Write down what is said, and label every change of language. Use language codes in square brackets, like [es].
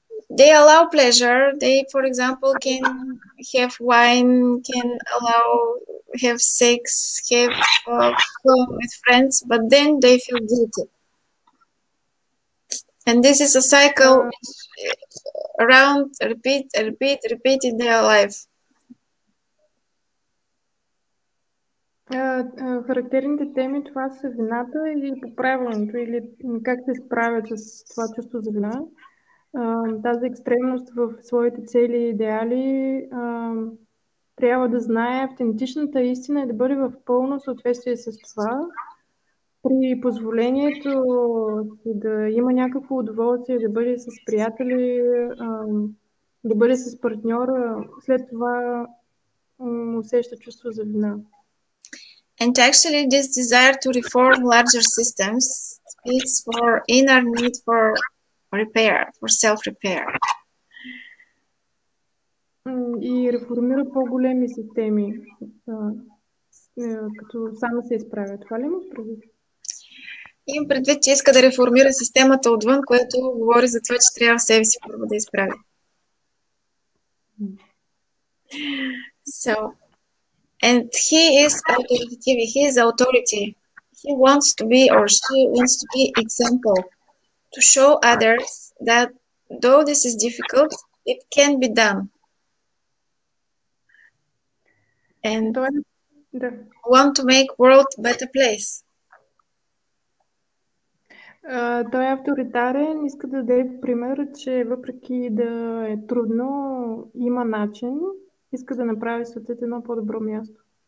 [en] they allow pleasure. They, for example, can have wine, can allow have sex, have fun with friends, but then they feel guilty. And this is a cycle around, repeat in their life. [bg] Характерните теми, това са вината или поправилното, или как се справят с това чувство за вина. Тази екстремност в своите цели и идеали трябва да знае автентичната истина и да бъде в пълно съответствие с това. При позволението да има някакво удоволствие, да бъде с приятели, да бъде с партньора, след това усеща чувство за вина. [en] And actually, this desire to reform larger systems speaks for inner need for repair, for self-repair. [bg] И реформира по-големи системи, като само се изправя. Това ли му предвид? Имам предвид, че иска да реформира системата отвън, което говори за това, че трябва себе си първо да изправи. [en] So... And he is authoritative. He is authority. He wants to be, or she wants to be, example to show others that though this is difficult, it can be done. And want to make world a better place. [bg] Той е авторитарен, иска да даде пример, че въпреки да е трудно, има начин. Иска да направи светът едно по-добро място.